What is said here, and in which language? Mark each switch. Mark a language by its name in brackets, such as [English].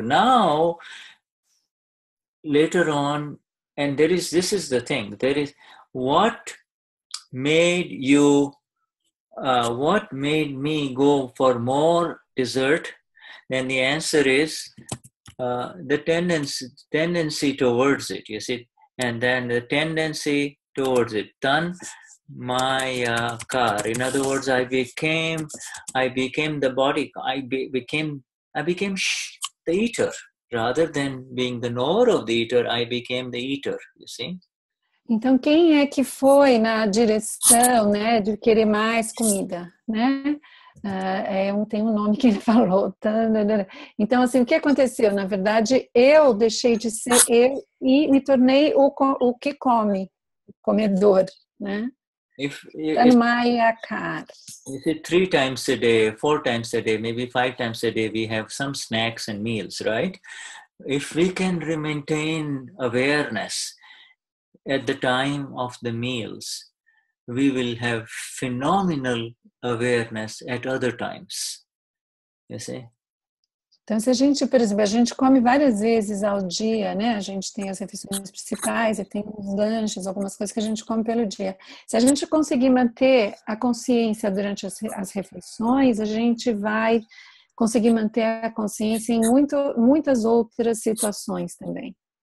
[English] Now, later on, and this is the thing, there is what made me go for more dessert, then the answer is the tendency towards it, you see, and then the tendency towards it. Done. My car. In other words, I became the body. I became the eater rather than being the knower of the eater. I became the eater. You see. [Portuguese] Então quem é que foi na direção, né, de querer mais comida, né? Tem um nome que ele falou. Então assim, o que aconteceu? Na verdade, eu deixei de ser eu e me tornei o que come, o comedor, né? [English] If it's 3 times a day, 4 times a day, maybe 5 times a day, we have some snacks and meals, right? If we can maintain awareness at the time of the meals, we will have phenomenal awareness at other times. You see? [Portuguese] Então, se a gente, por exemplo, a gente come várias vezes ao dia, né? A gente tem as refeições principais e tem os lanches, algumas coisas que a gente come pelo dia. Se a gente conseguir manter a consciência durante as refeições, a gente vai conseguir manter a consciência em muitas outras situações também.